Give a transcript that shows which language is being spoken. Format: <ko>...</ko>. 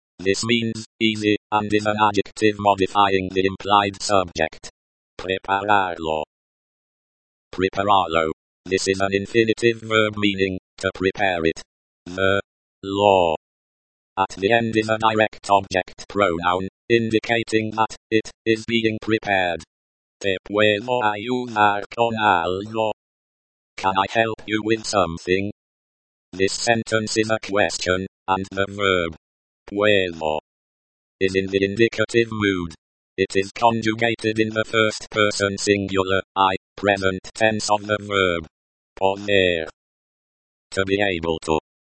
<en>This means easy, and is an adjective modifying the implied subject.</en> <es>Prepararlo. Prepararlo.</es> <en>This is an infinitive verb meaning, to prepare it. The law. At the end is a direct object pronoun, indicating that it is being prepared.</en> <es>Te puedo ayudar con algo?</es> <en>Can I help you with something? This sentence is a question, and the verb puedo is in the indicative mood. It is conjugated in the first person singular, I, present tense of the verb poner. To be able to.</en>